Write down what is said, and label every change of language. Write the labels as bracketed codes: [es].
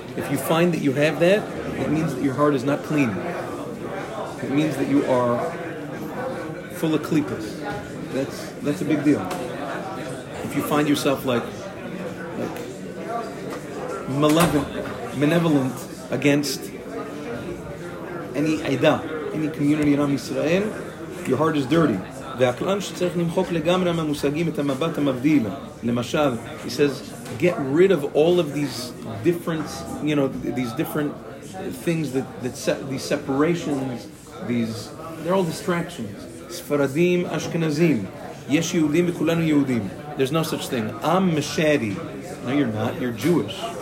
[en] If you find that you have that, it means that your heart is not clean. It means that you are full of klipas. That's a big deal. If you find yourself like malevolent against any aida, any community in Am Yisrael, your heart is dirty. [he] והכלל שצריך למחוק לגמרי מהמושגים את המבט המבדיל. [en] למשל, he says, get rid of all of these different, you know, these different things these separations, they're all distractions. [he] Sfaradim, Ashkenazim. Yesh Yehudim, וכולנו Yehudim. [en] There's no such thing. I'm Meshadi. No, you're not. You're Jewish.